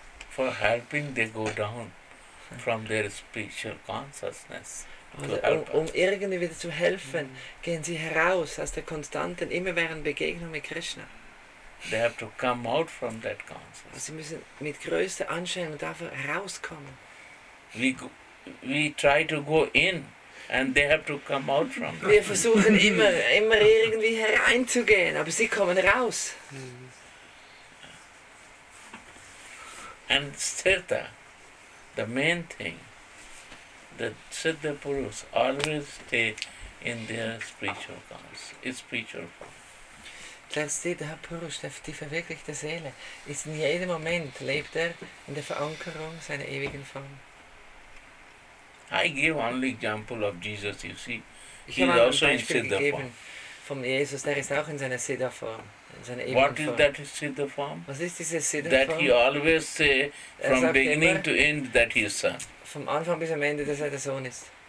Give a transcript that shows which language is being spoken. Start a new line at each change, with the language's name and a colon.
English: For helping, they go down from their spiritual consciousness.
German: Um irgendwie wieder zu helfen, gehen sie heraus aus der konstanten, immerwährenden Begegnung mit Krishna.
English: They have to come out from that consciousness.
German: Sie müssen mit größter Anstrengung dafür herauskommen.
English: We try to go in, and they have to come out from that.
German: Wir versuchen immer irgendwie hereinzugehen, aber sie kommen raus.
English: And Siddha, the main thing, that Siddha Purus always stay in their spiritual forms, its spiritual form.
German: Der Siddha Purus, die verwirklichte Seele, ist in jedem Moment, lebt in der Verankerung seiner ewigen Form.
English: I give only example of Jesus, you see.
German: Ich habe auch ein Beispiel gegeben vom Jesus, der ist auch in seiner Siddha Form.
English: What is that Siddha form?
German: Was ist diese Siddha
English: that form? He always say from beginning to end that he is son.
German: Vom Anfang bis am Ende, dass er der Sohn ist.